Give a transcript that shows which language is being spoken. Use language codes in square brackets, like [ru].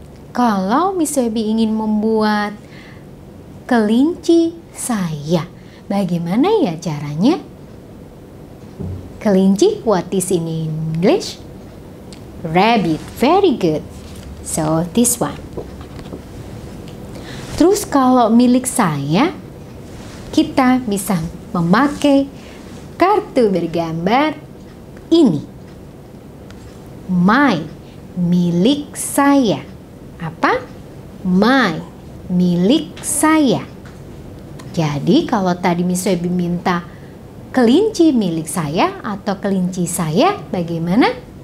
[id] Kalau Miss Webby ingin membuat kelinci saya, bagaimana ya caranya? Kelinci, [en] what is in English? Rabbit, very good. So, this one. [id] Terus kalau milik saya, kita bisa memakai kartu bergambar ini. My, milik saya. Apa? My, milik saya. Jadi kalau tadi Miss Webby minta kelinci milik saya atau kelinci saya, bagaimana?